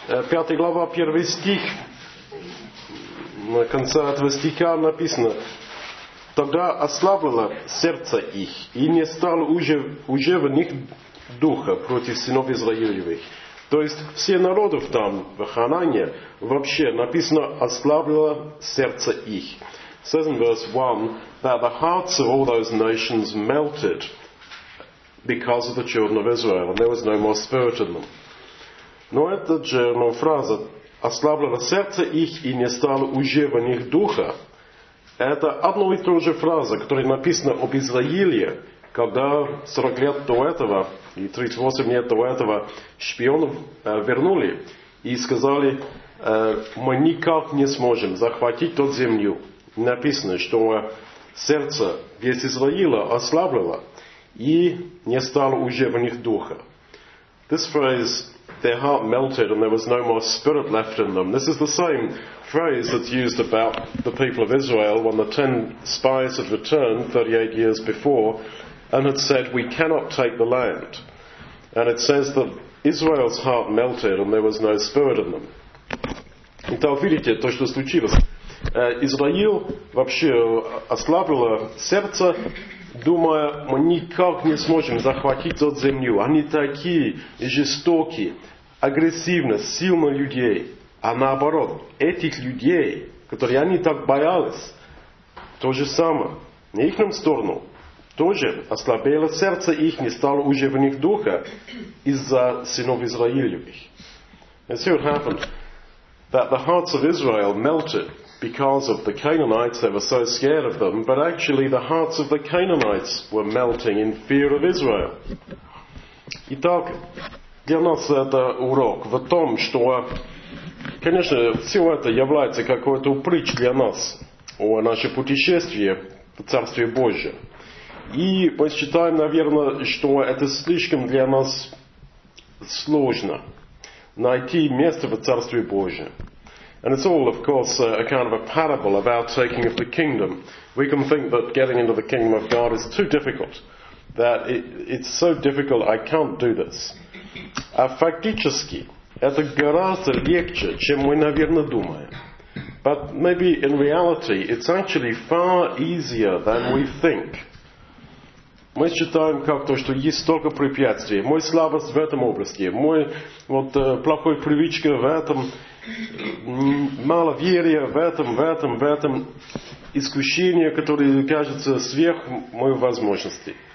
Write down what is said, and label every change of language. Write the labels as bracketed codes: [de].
[ru] 5 глава, 1 стих, на конце этого стиха написано: «Тогда ослабло сердце их, и не стал уже в них духа против сынов Израилевых». То есть все народы там, в Ханане, вообще написано «ослабло сердце их». [en] It says in verse 1 that the hearts of all those nations melted because of the children of Israel, and there was no more spirit in them. [ru] Но это же, но фраза «ослабло сердце их, и не стало уже в них духа» — это одно и то же фраза, которая написана об Израиле, когда 40 лет до этого и 38 лет до этого шпионов вернули и сказали: «Мы никак не сможем захватить тот землю». Написано, что сердце весь Израиля ослабло, и не стало уже в них духа. [en] This phrase, their heart melted and there was no more spirit left in them. This is the same phrase that's used about the people of Israel when the 10 spies had returned 38 years before and had said, we cannot take the land. And it says that Israel's heart melted and there was no spirit in them. [ru] Итак, видите, то, что случилось. Израиль вообще ослабило сердце, думая, мы никак не сможем захватить эту землю. Они такие жестокие, агрессивные, сильные людей. А наоборот, этих людей, которые они так боялись, то же самое. На их сторону тоже ослабело сердце их, не стало уже в них духа из-за сынов Израилевых. [en] And see what happened. That the hearts of Israel melted because of the Canaanites. They were so scared of them, but actually the hearts of the Canaanites were melting in fear of Israel. [ru] Итак, для нас это урок в том, что, конечно, все это является какой-то притч для нас о нашем путешествии в Царствие Божие. И мы считаем, наверное, что это слишком для нас сложно найти место в Царстве Божьем. [en] And it's all, of course, a kind of a parable about taking of the kingdom. We can think that getting into the kingdom of God is too difficult, that it's so difficult, I can't do this. [ru] А фактически, это гораздо легче, чем мы, наверное, думаем. [en] But maybe in reality, it's actually far easier than we think. [ru] Мы считаем как-то, что есть столько препятствий. Мой слабость в этом области, мой плохой привычка в этом, мало верия в этом, искушение, которое кажется сверх моих возможностей.